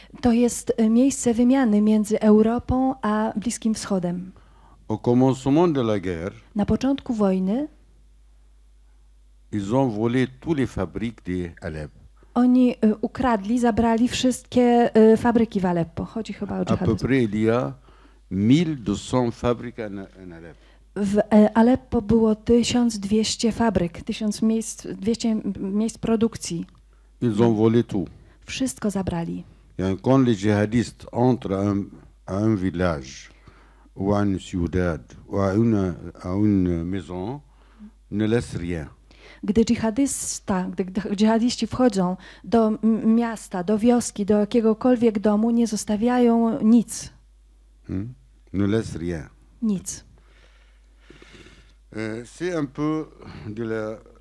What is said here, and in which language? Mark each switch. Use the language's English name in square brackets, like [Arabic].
[Polish] To jest miejsce wymiany między Europą a Bliskim Wschodem. [French] Au commencement de la guerre, [Polish] na początku wojny, [French] ils ont volé toutes les fabriques de Aleppo. [Polish] Oni ukradli, zabrali wszystkie fabryki w Aleppo. Chodzi chyba o dżihadystów. [French] À peu près il y a 1200 fabryk en Aleppo. [Polish] W Aleppo było 1200 fabryk, 1000 miejsc, 200 miejsc produkcji. [French] Ils ont volé tout. [Polish] Wszystko zabrali. [French] Quand les djihadistes entrent à un village, ou à une ciudad, ou à une maison, ne laissent rien. [Polish] Gdy dżihadysta, gdy dżihadiści wchodzą do miasta, do wioski, do jakiegokolwiek domu, nie zostawiają nic. [French] Ne laissent rien. [Polish] Nic. [French] C'est un peu de la.